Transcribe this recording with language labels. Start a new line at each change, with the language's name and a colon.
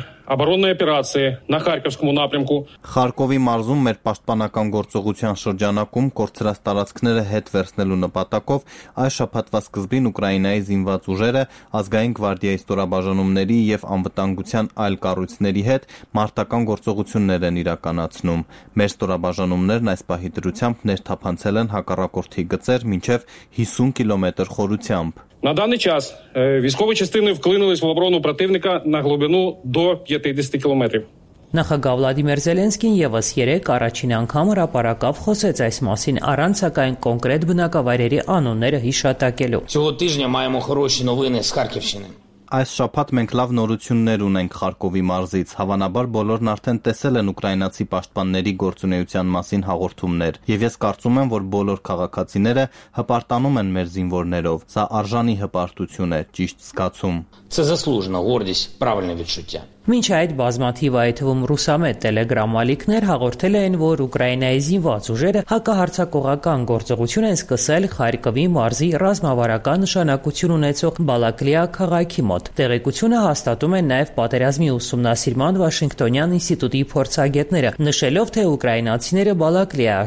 Armenian: Խարկովի մարզում մեր պաշտպանական գործողության շրջանակում կորցրած տարածքները հետ վերցնելու նպատակով այս շաբաթվա սկզբին Ուկրաինայի զինված ուժերը ազգային գվարդիայի ստորաբաժանումների և անվտանգության այլ կառույցների հետ մարտական գործողություններ են իրականացնում։ Մեր ստորաբաժանումներն այս պահի դրությամբ ներթափանցել են հակառակորդի գծեր մինչև 50 կիլոմետր խորությամբ։
Ukrainian: На даний час військові частини вклинулись в оборону противника на глибину до 50 кілометрів.
Armenian: Նախագահ Վլադիմիր Զելենսկին եւս 3 առաջին անգամ հրապարակավ խոսեց այս մասին, առանց սակայն կոնկրետ բնակավայրերի անունները հիշատակելու։
Ukrainian: Цього тижня маємо хороші новини з Харківщини.
Armenian: Այս շաբաթ մենք լավ նորություններ ունենք Խարկովի մարզից։ Հավանաբար բոլորն արդեն տեսել են ուկրաինացի պաշտպանների գործունեության մասին հաղորդումներ, եւ ես կարծում եմ, որ բոլոր քաղաքացիները հպարտանում են մեր զինվորներով։ Սա արժանի հպարտություն է, ճիշտ զգացում։
Ukrainian: Це заслужено, гордість, правильне відчуття.
Armenian: Մինչ այդ բազմաթիվ այթվում ռուսամետ տելեգրամալիքներ հաղորդել են, որ Ուկրաինայի զինված ուժերը հակահարցակողական գործողություն են սկսել Խարկովի մարզի ռազմավարական նշանակություն ունեցող Բալակլիա քաղաքի մոտ։ Տեղեկությունը հաստատում են նաև պատերազմի ուսումնասիրման Վաշինգտոնյան ինստիտուտի փորձագետները, նշելով, թե ուկրաինացիները Բալակլիա